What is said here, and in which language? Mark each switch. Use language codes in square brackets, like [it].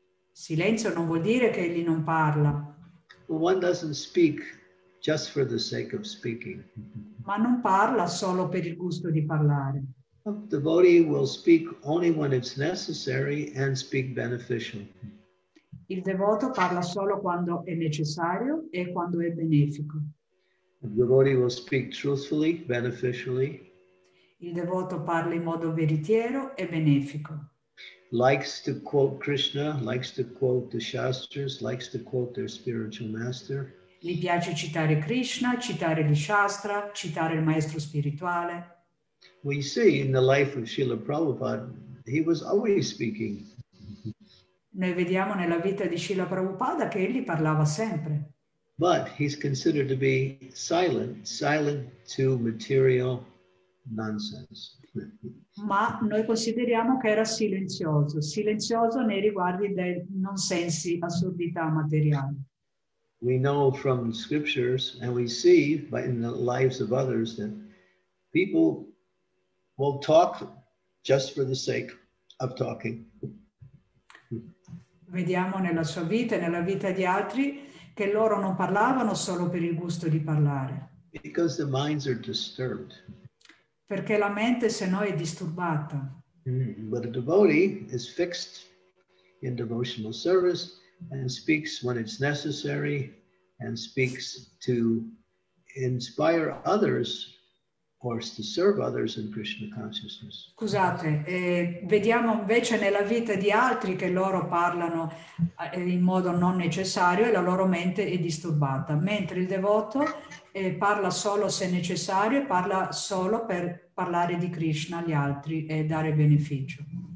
[it] Silenzio non vuol dire che egli non parla. [en] But one doesn't speak just for the sake of speaking. [it] Ma non parla solo per il gusto di parlare. [en] A devotee will speak only when it's necessary and speak beneficial. [it] Il devoto parla solo quando è necessario e quando è benefico. [en] A devotee will speak truthfully, beneficially. [it] Il devoto parla in modo veritiero e benefico. [en] Likes to quote Krishna, likes to quote the Shastras, likes to quote their spiritual master. [it] Gli piace citare Krishna, citare gli Shastra, citare il maestro spirituale. [en] We see in the life of Srila Prabhupada, he was always speaking. [it] Noi vediamo nella vita di Srila Prabhupada che egli parlava sempre. [en] But he's considered to be silent, silent to material nonsense. [it] Ma noi consideriamo che era silenzioso, silenzioso nei riguardi dei nonsensi, assurdità materiali. [en] We know from scriptures and we see in the lives of others that people will talk just for the sake of talking. [it] Vediamo nella sua vita e nella vita di altri che loro non parlavano solo per il gusto di parlare. [en] Because the minds are disturbed. [it] Perché la mente se no è disturbata. [en] But a devotee is fixed in devotional service and speaks when it's necessary and speaks to inspire others or to serve others in Krishna consciousness. [it] Scusate, vediamo invece nella vita di altri che loro parlano in modo non necessario e la loro mente è disturbata, mentre il devoto parla solo se necessario e parla solo per parlare di Krishna agli altri e dare beneficio.